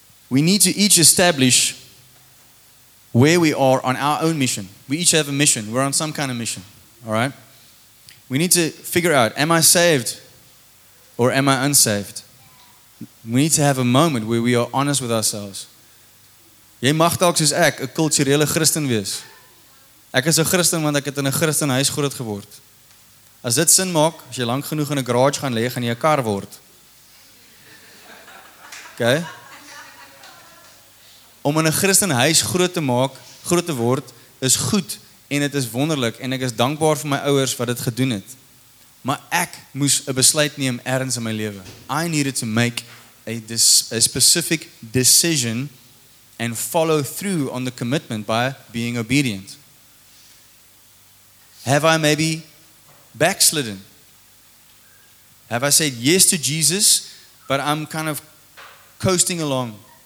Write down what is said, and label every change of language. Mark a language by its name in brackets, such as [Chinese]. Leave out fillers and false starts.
[English] We need to each establish where we are on our own mission. We each have a mission. We're on some kind of mission. All right? We need to figure out, am I saved or am I unsaved? We need to have a moment where we are honest with ourselves. [Afrikaans] Jy mag dalk soos ek 'n kulturele Christen wees. Ek is 'n Christen want ek het in 'n Christenhuis groot geword. As dit sin maak, as jy lank genoeg in 'n garage gaan lê, gaan jy 'n kar word. Okay? Om in 'n Christenhuis groot te word, is goed en dit is wonderlik en ek is dankbaar vir my ouers wat dit gedoen het. Maar ek moes 'n besluit neem ergens in my lewe. [English] I needed to make a specific decision and follow through on the commitment by being obedient. Have I maybe backslidden? Have I said yes to Jesus, but I'm kind of coasting along?